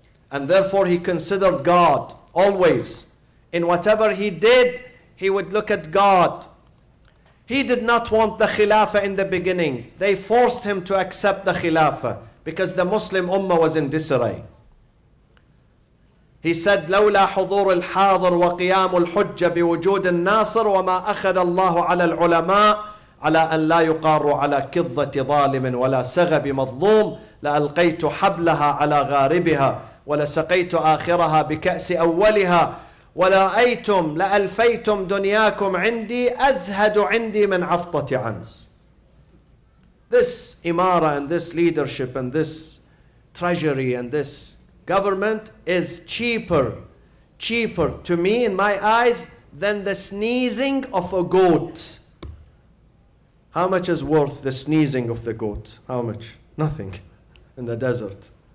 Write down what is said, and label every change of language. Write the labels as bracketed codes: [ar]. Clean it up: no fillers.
[en] And therefore he considered God always. In whatever he did, he would look at God. He did not want the khilafah in the beginning. They forced him to accept the khilafah because the Muslim ummah was in disarray. He said, [ar] لولا حضور الحاضر وقيام الحجة بوجود الناصر وما أخذ الله على العلماء على أن لا يقاروا على كظة ظالم ولا سغب مظلوم لألقيت حبلها على غاربها ولسقيت آخرها بكأس أولها ولأيتم لألفيتم دنياكم عندي أزهد عندي من عفطة عنز. [en] This imara and this leadership and this treasury and this government is cheaper to me in my eyes than the sneezing of a goat. How much is worth the sneezing of the goat? How much? Nothing in the desert.